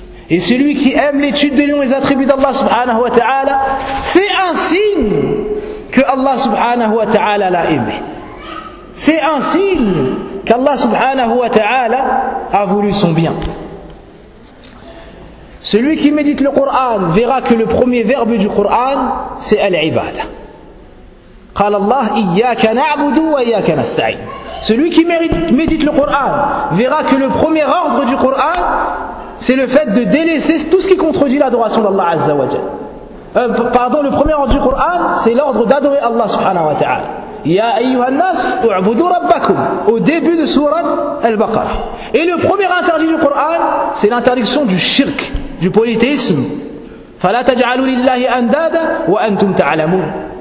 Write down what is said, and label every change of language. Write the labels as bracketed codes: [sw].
[fr] Et celui qui aime l'étude des noms et les attributs d'Allah [ar] subhanahu wa ta'ala, [fr] c'est un signe que Allah subhanahu wa ta'ala l'a aimé. C'est un signe qu'Allah [ar] subhanahu wa ta'ala [fr] a voulu son bien. Celui qui médite le Coran verra que le premier verbe du Coran, c'est Al-Ibadah. [ar] قال الله إياك نعبد وإياك نستعين. [fr] Celui qui médite le Coran verra que le premier ordre du Coran, c'est le fait de délaisser tout ce qui contredit l'adoration d'Allah [ar] Azza wa Jal. [fr] Le premier ordre du Coran, c'est l'ordre d'adorer Allah [ar] subhanahu wa ta'ala. Ya ayyuha an-nas u'budu rabbakum, [fr] au début de sourate Al-Baqarah. Et le premier interdit du Coran, c'est l'interdiction du shirk, du polythéisme. [ar] فلا تجعلوا لله أندادا وأنتم تعلمون.